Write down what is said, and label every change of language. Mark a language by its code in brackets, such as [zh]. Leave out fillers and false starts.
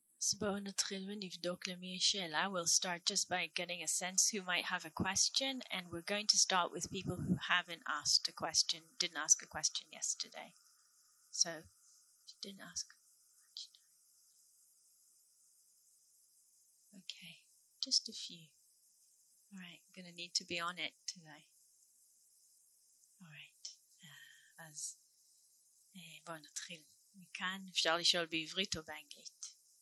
[he] So בואו נתחיל ונבדוק למי יש שאלה. [en] We'll start just by getting a sense who might have a question, and we're going to start with people who haven't asked a question, didn't ask a question yesterday. So, didn't ask. Okay, just a few. All right, gonna need to be on it today. All right, [he] אז בואו נתחיל. מכאן אפשר לשאול בעברית או באנגלית.